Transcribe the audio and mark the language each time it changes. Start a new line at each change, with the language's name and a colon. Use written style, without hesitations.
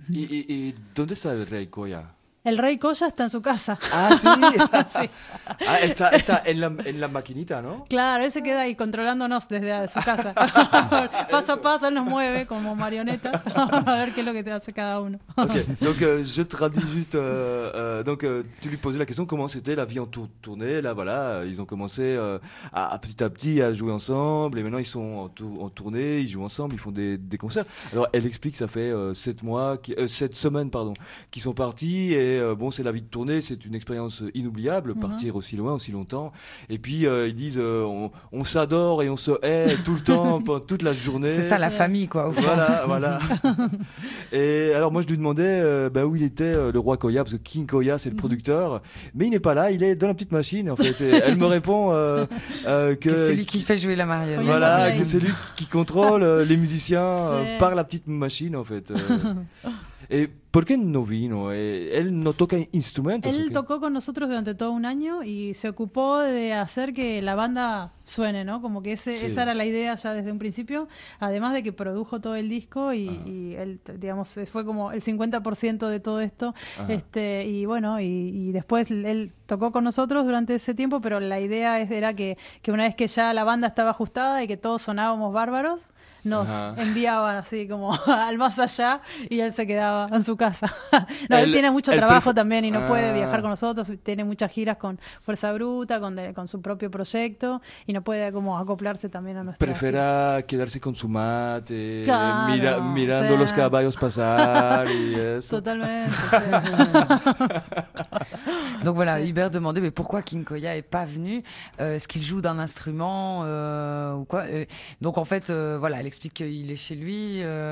Spanish: ¿Y dónde está el Rey Koya? El Rey Koya está en su casa. Ah, sí. Sí. Ah, está en la maquinita, ¿no? Claro, él se queda ahí controlándonos desde su casa. Paso a paso, él nos mueve como marionetas. A ver qué es lo que te hace cada uno.
French: Ok, donc je traduis juste. Tu lui posais la question, comment c'était la vie en tournée. Là, voilà, ils ont commencé petit à petit à jouer ensemble. Et maintenant, ils sont en tournée, ils jouent ensemble, ils font des concerts. Alors, elle explique que ça fait 7 semaines qu'ils sont partis. Et c'est la vie de tournée, c'est une expérience inoubliable, partir aussi loin, aussi longtemps. Et puis, ils disent, on s'adore et on se hait tout le temps, toute la journée. C'est ça, la famille, quoi. Voilà, voilà. Et alors, moi, je lui demandais où il était le roi Koya, parce que King Koya, c'est le producteur. Mais il n'est pas là, il est dans la petite machine, en fait. Et elle me répond que c'est lui qui fait jouer la marionnette. Voilà, que c'est lui qui contrôle les musiciens par la petite machine, en fait. Et pourquoi il ne vient pas? Il ne joue pas d'instrument. Il a joué avec nous pendant tout un an et s'est occupé de faire que la bande
Spanish: suene, ¿no? Como que esa era la idea ya desde un principio, además de que produjo todo el disco y él, digamos, fue como el 50% de todo esto. Ajá. Y después él tocó con nosotros durante ese tiempo, pero la idea era que una vez que ya la banda estaba ajustada y que todos sonábamos bárbaros, nos enviaba así como al más allá y él se quedaba en su casa. Él tiene mucho trabajo también y no puede viajar con nosotros, tiene muchas giras con Fuerza Bruta, con su propio proyecto, y no puede como acoplarse también a nuestra. Prefiera quedarse con su mate, mirando los caballos pasar y eso. Totalmente.
French: Donc voilà, Hubert demandait mais pourquoi King Koya est pas venu, est-ce qu'il joue d'un instrument ou quoi. Donc en fait voilà, elle explique qu'il est chez lui